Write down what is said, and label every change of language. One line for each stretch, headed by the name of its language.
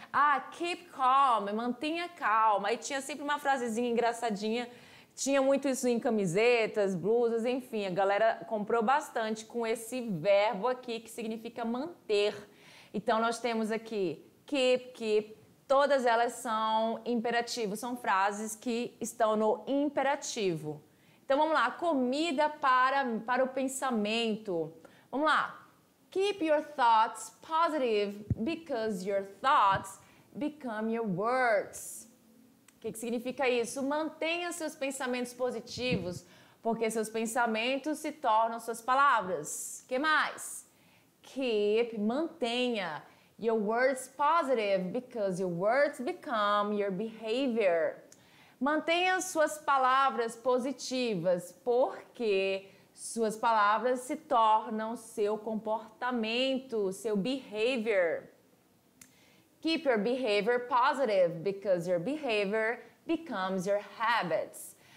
Portuguese: Ah,
English: keep calm,
Portuguese: mantenha calma. Aí tinha sempre uma frasezinha engraçadinha, tinha muito isso em camisetas, blusas, enfim, a galera comprou bastante com esse verbo aqui que significa manter. Então nós temos aqui,
English: keep, keep.
Portuguese: Todas elas são imperativos, são frases que estão no imperativo. Então vamos lá, comida para o pensamento. Vamos lá.
English: Keep your thoughts positive because your thoughts become your words.
Portuguese: O que significa isso? Mantenha seus pensamentos positivos, porque seus pensamentos se tornam suas palavras. O que mais?
English: Keep,
Portuguese: mantenha.
English: Your words positive because your words become your behavior.
Portuguese: Mantenha suas palavras positivas porque suas palavras se tornam seu comportamento, seu
English: behavior. Keep your behavior positive because your behavior becomes your habits.